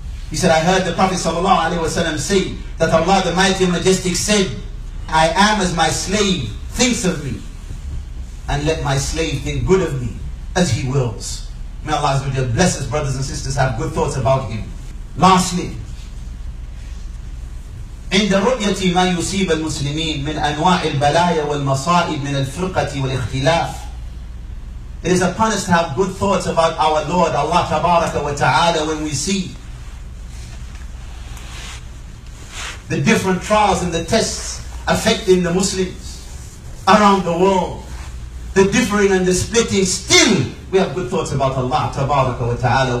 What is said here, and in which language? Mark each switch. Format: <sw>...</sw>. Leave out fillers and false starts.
<en>He said, I heard the Prophet sallallahu alayhi wa sallam say, that Allah the Mighty and Majestic said, I am as my slave thinks of me, and let my slave think good of me as he wills. May Allah Azza wa Jalla bless us, brothers and sisters, have good thoughts about him. Lastly,</en> <ar>عند رؤية ما يصيب المسلمين من أنواع البلايا والمصائب من الفرقة والاختلاف.</ar> <en>It is upon us to have good thoughts about our Lord, Allah Tabaraka wa Ta'ala, when we see the different trials and the tests affecting the Muslims around the world, the differing and the splitting, still we have good thoughts about Allah Tabaraka wa Ta'ala.</en>